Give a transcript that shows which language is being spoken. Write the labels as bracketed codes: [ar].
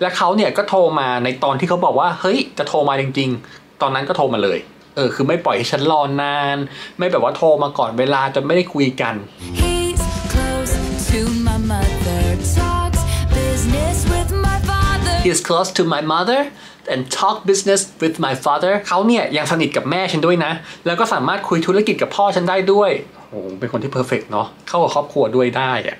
[th] และเขาเนี่ยก็โทรมาในตอนที่เขาบอกว่าเฮ้ยจะโทรมาจริงๆตอนนั้นก็โทรมาเลยเออคือไม่ปล่อยให้ฉันรอนานไม่แบบว่าโทรมาก่อนเวลาจนไม่ได้คุยกัน [en] He's close to my mother, talks business with my father. He's close to my mother and talk business with my father. [th] เขาเนี่ยยังสนิทกับแม่ฉันด้วยนะแล้วก็สามารถคุยธุรกิจกับพ่อฉันได้ด้วยโอ้เป็นคนที่เพอร์เฟกต์เนาะเข้ากับครอบครัวด้วยได้